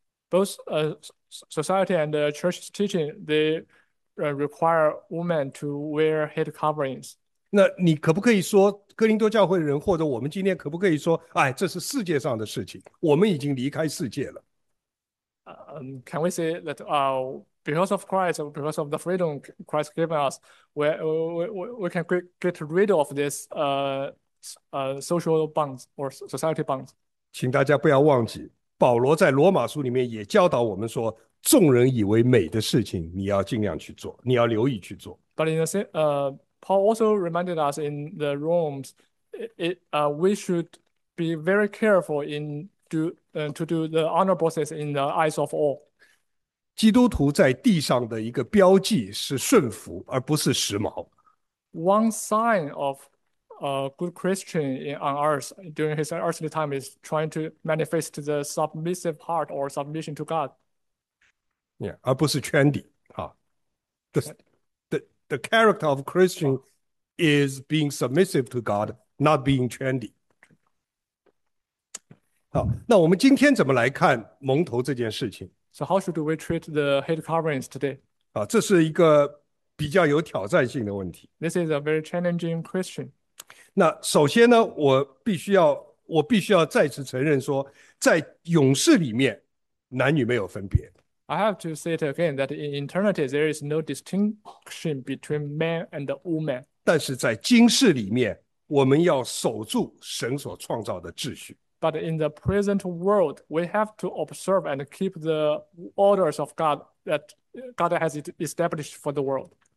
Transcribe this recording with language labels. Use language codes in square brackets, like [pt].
[en] Both society and the church's teaching, they require women to wear head coverings. [zh] 那你可不可以说，哥林多教会的人，或者我们今天可不可以说，哎，这是世界上的事情，我们已经离开世界了。 [en] Can we say that because of Christ, because of the freedom Christ gave us, we can get rid of this social bonds or society bonds? [zh] 请大家不要忘记，保罗在罗马书里面也教导我们说，众人以为美的事情，你要尽量去做，你要留意去做。 [en] But in the same, Paul also reminded us in the Romans, we should be very careful in do to do the honorable things in the eyes of all. [zh] 基督徒在地上的一个标记是顺服，而不是时髦。 [en] One sign of a good Christian on earth during his earthly time is trying to manifest the submissive heart or submission to God. Yeah, [zh] 而不是 trendy 啊， [en] the character of Christian is being submissive to God, not being trendy。 [zh] 好，那我们今天怎么来看蒙头这件事情？ [en] So how should we treat the head coverings today? [zh] 啊，这是一个比较有挑战性的问题。 [en] This is a very challenging question. [zh] 那首先呢，我必须要再次承认说，在勇士里面，男女没有分别。 [en] I have to say it again that in eternity there is no distinction between man and woman. [zh] 但是在今世里面，我们要守住神所创造的秩序。 [en] But in the present world, we have to observe and keep the orders of God that God has established for the world.